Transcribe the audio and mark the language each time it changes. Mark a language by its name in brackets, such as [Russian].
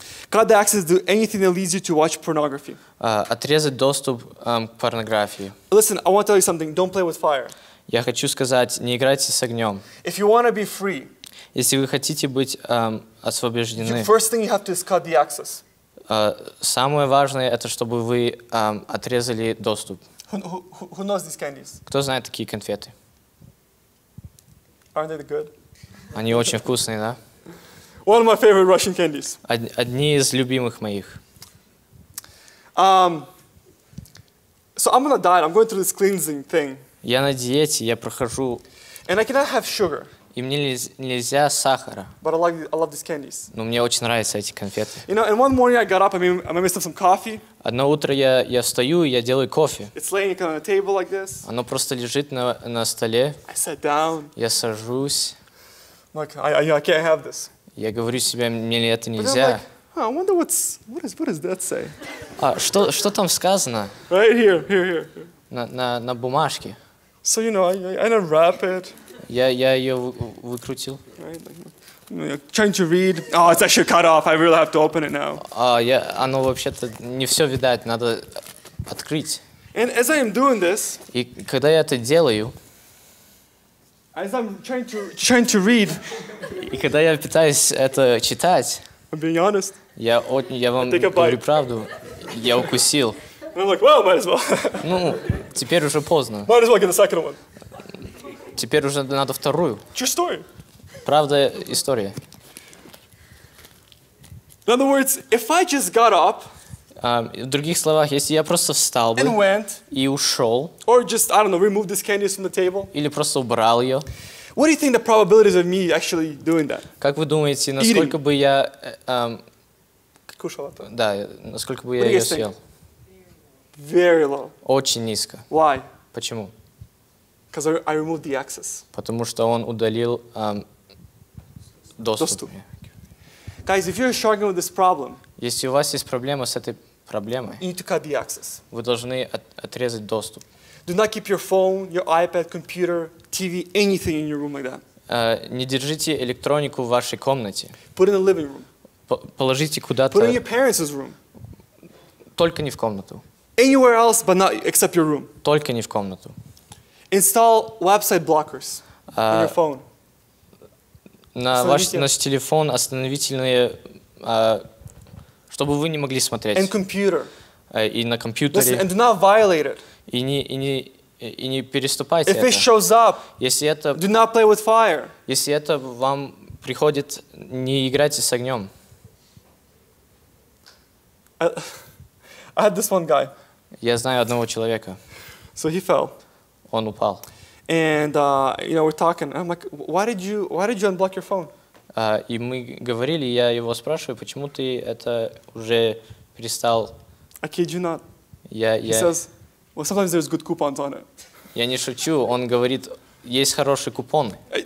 [English] Cut the access to anything that leads you to watch pornography. [Russian] Отрезать доступ к порнографии. [English] Listen, I want to tell you something. Don't play with fire. [Russian] Я хочу сказать, не играйте с огнем. [English] If you want to be free, [Russian] если вы хотите быть освобождены, [English] the first thing you have to is cut the access. [Russian] Самое важное это чтобы вы отрезали доступ. [English] Who knows these candies? [Russian] Кто знает такие конфеты? [English] Aren't they good? [Russian] Они очень вкусные, да? [English] One of my favorite Russian candies. [Russian] Одни из любимых моих. [English] So I'm on a diet. I'm going through this cleansing thing. [Russian] Я на диете, я прохожу. [English] And I cannot have sugar. [Russian] И мне нельзя сахара. [English] But I love these candies. [Russian] Но мне очень нравятся эти конфеты. [English] You know, and one morning I got up, I made myself some coffee. [Russian] Одно утро я встаю, я делаю кофе. [English] It's laying kind of on a table like this. [Russian] Оно просто лежит на столе. [English] I sat down. [Russian] Я сажусь. [English] Like I can't have this. [Russian] Я говорю себе, мне ли это нельзя. [English] Like, I wonder what does that say? [Russian] Что там сказано? [English] Right here. [Russian] На бумажке. [English] So you know, I unwrap it. [Russian] Я ее выкрутил. [English] Trying to read. Oh, it's actually cut off. I really have to open it now. [Russian] Оно вообще-то не все видать, надо открыть. [English] And as I am doing this, [Russian] и когда я это делаю, [English] as I'm trying to read, [Russian] и когда я пытаюсь это читать, [English] I'm being honest. [Russian] Я вам говорю правду. Я укусил. [English] And I'm like, well, might as well. [Russian] Ну, теперь уже поздно. [English] Might as well get the second one. [Russian] Теперь уже надо вторую. [English] True story. [Russian] Правда история. [English] In other words, if I just got up, [Russian] в других словах, если я просто встал бы [English] and went, [Russian] и ушел, [English] or just, I don't know, remove this candy from the table, [Russian] или просто убрал ее, [English] what do you think the probabilities of me actually doing that? [Russian] Как вы думаете, насколько [English] eating. [Russian] Бы я кушал это? Да, насколько бы [English] what [Russian] я ее [English] think? [Russian] Съел? [English] Very low. [Russian] Очень низко. [English] Why? [Russian] Почему? [English] Because I removed the access. [Russian] Потому что он удалил доступ. [English] Guys, if you're struggling with this problem, [Russian] если у вас есть проблема с этой проблемой, [English] you need to cut the access. [Russian] Вы должны отрезать доступ. [English] Do not keep your phone, your iPad, computer, TV, anything in your room like that. [Russian] Не держите электронику в вашей комнате. [English] Put in the living room. [Russian] Положите куда-то. [English] Put in your parents' room. [Russian] Только не в комнату. [English] Anywhere else, but not except your room. [Russian] Только не в комнату. [English] Install website blockers on your phone. [Russian] На ваш телефон остановительные, чтобы вы не могли смотреть. [English] And computer. [Russian] И на компьютере. [English] Listen, and do not violate it. [Russian] И не переступайте [English] if [Russian] это. [English] If it shows up, [Russian] если это, [English] do not play with fire. [Russian] Если это вам приходит, не играйте с огнем. [English] I had this one guy. [Russian] Я знаю одного человека. [English] So he fell. Он упал. And you know, we're talking. I'm like, why did you unblock your phone? [Russian] И мы говорили, я его спрашиваю, почему ты это уже перестал. [English] I kid you not. [Russian] Я... [English] He says, well, sometimes there's good coupons on it. [Russian] Я не шучу, он говорит, есть хорошие купоны.